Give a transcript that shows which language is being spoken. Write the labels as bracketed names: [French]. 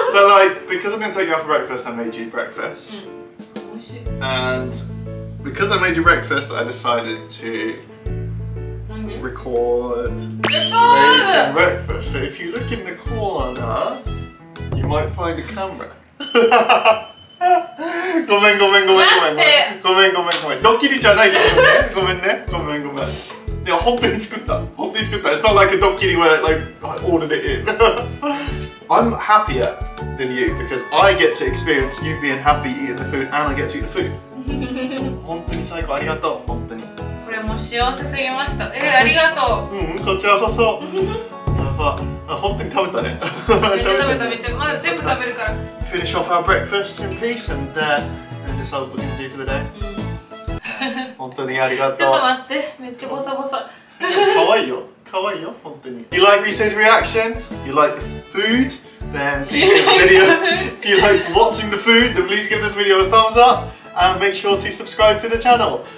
[English] But like, because I'm going to take you out for breakfast, I made you breakfast. And because I made you breakfast, I decided to record making breakfast. So if you look in the corner, you might find a camera. [Japanese] ごめん。ドッキリじゃないけど、ごめんね。いや、本当に作った。 [English] It's not like a ドッキリ where like, I ordered it in. I'm happier than you because I get to experience you being happy eating the food and I get to eat the food. [Japanese] 本当に最高、ありがとう。本当に。これもう幸せすぎました。ありがとう。うん、こちらこそ。本当に食べたね。めっちゃ食べた。まだ全部食べるから。 [English] Finish off our breakfast in peace and decide what we're gonna do for the day. [Japanese] 本当にありがとう。ちょっと待って、めっちゃボサボサ。かわいいよ、かわいいよ、本当に。 [English] You like Rise's reaction? You like food? Then please give the video. If you liked watching the food, then please give this video a thumbs up and make sure to subscribe to the channel.